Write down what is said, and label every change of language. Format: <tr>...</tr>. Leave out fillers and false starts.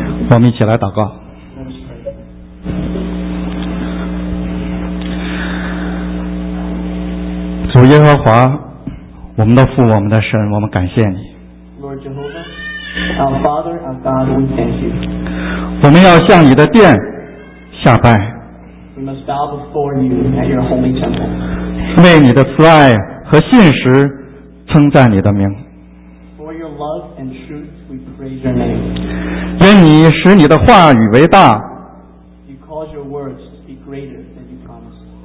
<zh>我们一起来祷告。主耶和华，我们的父，我们的神，我们感谢你。</zh> <en>Lord Jehovah, our Father, our God, we thank you.</en> <zh>我们要向你的殿下拜。</zh> <en>We must bow before you at your holy temple.</en> <zh>为你的慈爱和信实称赞你的名。</zh> <en>For your love and truth, we praise your name.</en> <zh>愿你使你的话语为大。</zh> <en>You cause your words to be greater than you promised.</en>